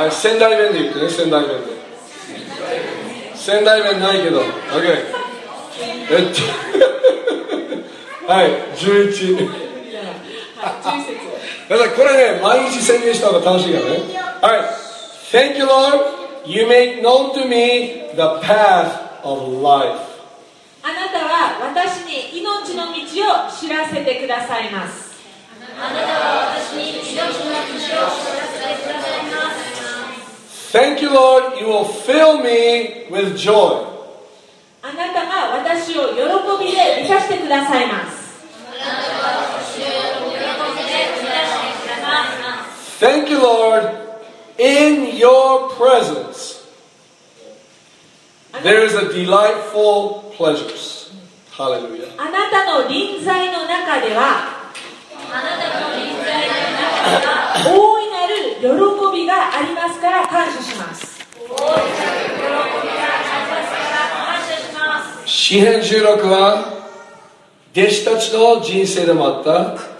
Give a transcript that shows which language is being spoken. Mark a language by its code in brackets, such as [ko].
[ja] あれ仙台弁で言ってね。仙台弁で。仙台弁ないけど。 OK。はい、11 11節。だからこれね、毎日宣言した方が楽しいからね。 [en] はい。Thank you, Lord. You make known to me the path of life. [ja] あなたは私に命の道を知らせてくださいます。あなたは私に命の道を知らせてくださいます。 [en] Thank you, Lord. You will fill me with joy. [ja] あなたが私を喜びで満たしてくださいます。 [en] Thank you, Lord. In your presence, there is a delightful pleasure. Hallelujah. [ja] あなたの臨在の中では、あなたの臨在の中では、大いなる喜びがありますから感謝します。大いなる喜びがありますから感謝します。詩編16は、弟子たちの人生でもあった。